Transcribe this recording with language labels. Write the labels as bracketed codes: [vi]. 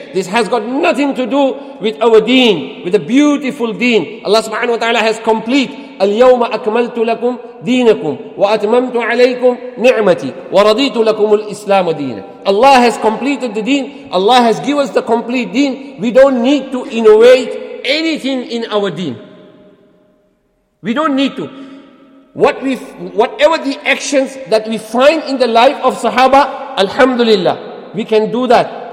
[en] This has got nothing to do with our deen, with the beautiful deen. Allah subhanahu wa ta'ala has complete, [ar] اليوم أكملت لكم دينكم وأتممت عليكم نعمتي ورضيت لكم الإسلام دينا. [en] Allah has completed the deen. Allah has given us the complete deen. We don't need to innovate anything in our deen. We don't need to. Whatever the actions that we find in the life of Sahaba, Alhamdulillah, we can do that.